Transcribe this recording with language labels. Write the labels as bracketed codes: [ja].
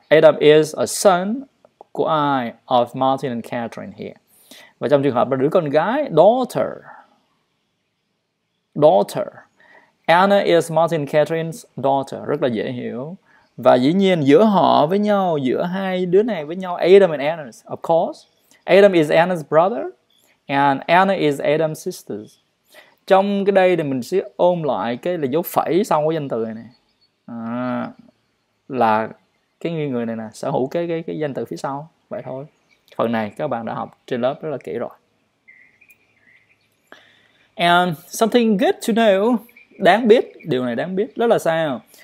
[en] Adam is a son [vi] của ai? [en] Of Martin and Catherine here. [vi] Và trong trường hợp là đứa con gái, daughter. [en] Daughter. Anna is Martin Catherine's daughter. [vi] Rất là dễ hiểu. Và dĩ nhiên giữa họ với nhau, giữa hai đứa này với nhau, [en] Adam and Anna, of course. Adam is Anna's brother and Anna is Adam's sister. [vi] Trong cái đây thì mình sẽ ôm lại cái là dấu phẩy sau cái danh từ này. Là cái người này nè sở hữu cái danh từ phía sau. Vậy thôi. Phần này các bạn đã học trên lớp rất là kỹ rồi. [en] And something good to know, [vi] đáng biết, điều này đáng biết, đó là sao?